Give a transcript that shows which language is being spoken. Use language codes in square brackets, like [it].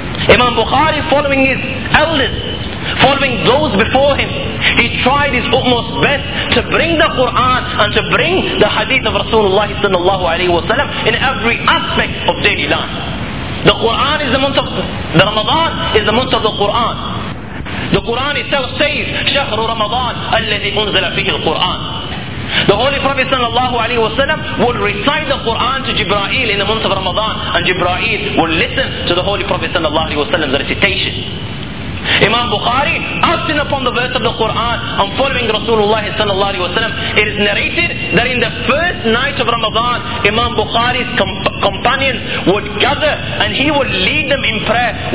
[en] Imam Bukhari, following his elders, following those before him, he tried his utmost best to bring the Quran and to bring the hadith of Rasulullah sallallahu alayhi wasallam in every aspect of daily life. The Quran is the month of the Ramadan is the month of the Quran. The Quran itself says, [ar] شهر رمضان الذي أنزل فيه القرآن. [en] The Holy Prophet sallallahu alayhi wasallam would recite the Quran to Jibreel in the month of Ramadan, and Jibreel would listen to the Holy Prophet sallallahu alayhi wasallam's recitation. Imam Bukhari, acting upon the verse of the Quran and following Rasulullah sallallahu alayhi wasallam, it is narrated that in the first night of Ramadan, Imam Bukhari's companions would gather and he would lead them in prayer.